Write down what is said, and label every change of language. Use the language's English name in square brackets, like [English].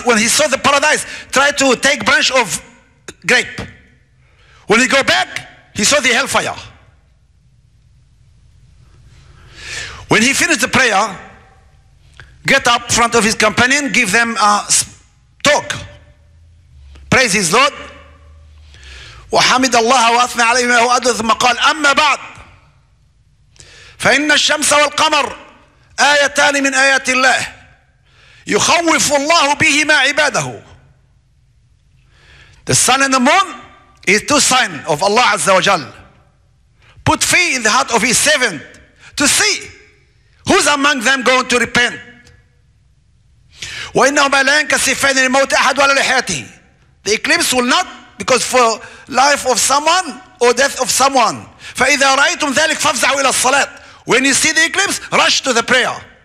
[English] When he saw the paradise, try to take branch of grape. When he go back, he saw the hellfire. When he finished the prayer, get up in front of his companion, give them a talk. Praise his Lord. [Arabic] وحمد الله وأثنى عليه ما هو أدنى ثم قال أما بعد فإن الشمس والقمر آيتان من آيات الله يخوف الله بهما عباده. [English] The sun and the moon is two signs of Allah عز وجل. Put fear in the heart of his servant to see who's among them going to repent. [Arabic] وإنهما لا ينكسفان لموت أحد ولا لحياته. [English] The eclipse will not because for life of someone or death of someone. [Arabic] فإذا رأيتم ذلك فافزعوا إلى الصلاة. [English] When you see the eclipse, rush to the prayer.